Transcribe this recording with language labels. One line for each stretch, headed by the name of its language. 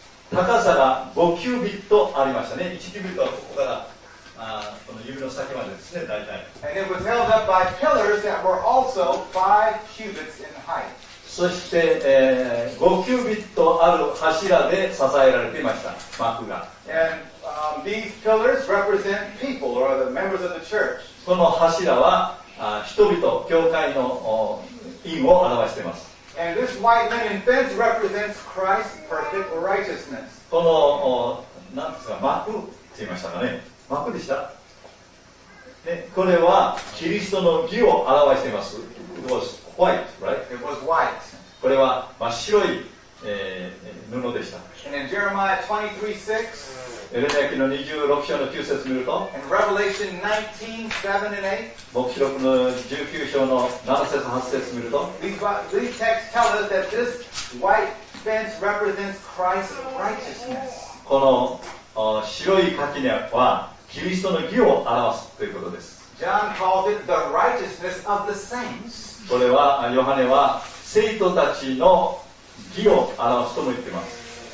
Japanese: 高さが5キュービットありましたね。1キュービットはここから、この指の先までですね、大体。
English: And it was held up by pillars that were also 5 cubits in height.
Japanese: そして、5キュービットある柱で支えられていました、幕が。
English: And these pillars represent people or the members of the church.
Japanese: この柱は人々、教会の意味を表しています。
English: And this white linen fence represents Christ's perfect righteousness.
Japanese: この何ですか、幕って言いましたかね。幕でした。ね、これはキリストの義を表しています。
English: It was white, right? It was white.
Japanese: これは真っ白い、布でした。
English: And in Jeremiah 23:6,
Japanese: エレミヤ記の26章の9節見ると、
English: And Revelation 19:7 and 8,
Japanese: 黙示録の19章の7節8節見ると、
English: These texts tell us that this white fence represents Christ's righteousness.
Japanese: この白い垣根はキリストの義を表すということです。
English: John called it the righteousness of the saints.
Japanese: これはヨハネは聖徒たちの義を表すとも言っています。